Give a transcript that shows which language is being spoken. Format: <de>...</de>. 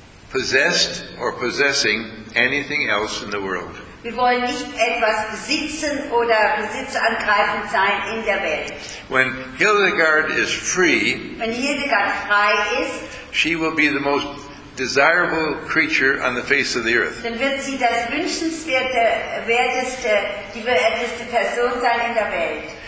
<en>possessed or possessing anything else in the world.</en> <de>Wir wollen nicht etwas besitzen oder besitzangreifend sein in der Welt.</de> <en>When Hildegard is free,</en> <de>wenn Hildegard frei ist,</de> <en>she will be the most desirable creature on the face of the earth.</en> <de>Dann wird sie das wünschenswerte, werteste, die werteste Person sein in der Welt.</de>